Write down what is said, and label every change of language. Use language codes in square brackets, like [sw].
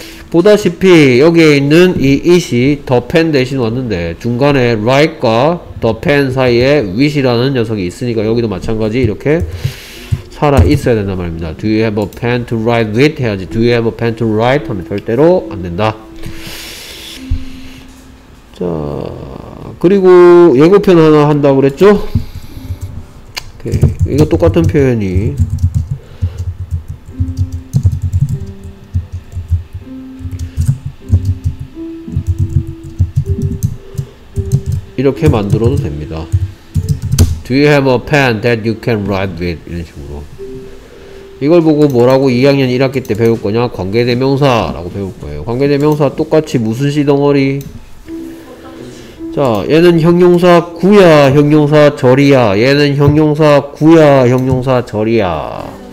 [ko] 보다시피 여기에 있는 이 it이 the pen 대신 왔는데 중간에 write과 the pen 사이에 with이라는 녀석이 있으니까 여기도 마찬가지 이렇게 살아있어야 된단 말입니다. [en] Do you have a pen to write with? [ko] 해야지 [en] Do you have a pen to write? [ko] 하면 절대로 안 된다. 자, 그리고 예고편 하나 한다고 그랬죠? 오케이. 이거 똑같은 표현이 이렇게 만들어도 됩니다. [en] Do you have a pen that you can write with? [ko] 이런 식으로 이걸 보고 뭐라고 2학년 1학기 때 배울 거냐? 관계대명사라고 배울 거예요. 관계대명사 똑같이 무슨 시덩어리? 자, 얘는 형용사 구야, 형용사 절이야. 얘는 형용사 구야, 형용사 절이야.